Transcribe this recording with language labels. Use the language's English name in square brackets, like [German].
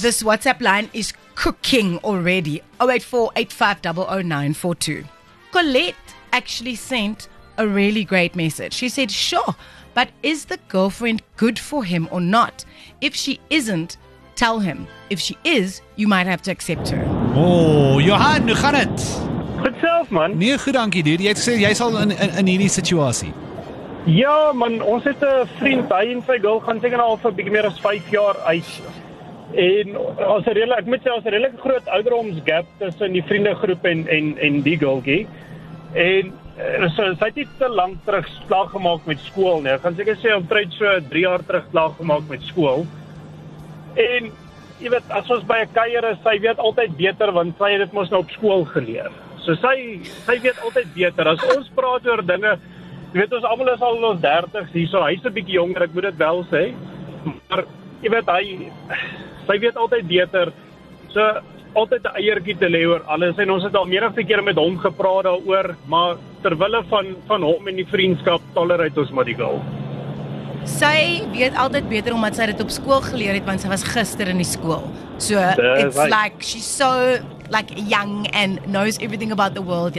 [English] This WhatsApp line is cooking already. 084-850-0942. Colette actually sent a really great message. She said, sure, but is the girlfriend good for him or not? If she isn't, tell him. If she is, you might have to accept her. [Afrikaans] Oh, Johan, hoe gaan het? Goed zelf, man. Nee, goed dankie, dude. Jy het gesê, jy sal in hierdie situasie. Ja man, ons het 'n vriend, hy en sy girl gaan seker al vir 'n bietjie meer as 5 jaar uit. En ons het redelik, ek moet sê, ons het redelik 'n groot ouderdoms gap tussen die vriendegroep en die girlkie. En sy het te lank terug slaag gemaak met skool, nee. Ek gaan seker sê omtrent so 3 jaar terug slaag gemaak met skool. En jy weet, as ons by 'n kuier is, sy weet altyd beter, want sy het dit mos nou op skool geleer. So sy weet altyd beter. As ons praat oor dinge, jy weet, ons almal is al in ons 30s hier, so hy's 'n bietjie jonger, ek moet dit wel sê. Maar, jy weet, sy weet altyd beter. So, altyd 'n eiertjie te lê oor alles. En ons het al meerdere keer met hom gepraat daaroor, maar ter wille van hom en die vriendskap, tolereer ons maar die girl. Sy weet altyd beter omdat sy dit op skool geleer het, want sy was gister in die skool. [English] So, it's right. Like, she's so, like, young and knows everything about the world.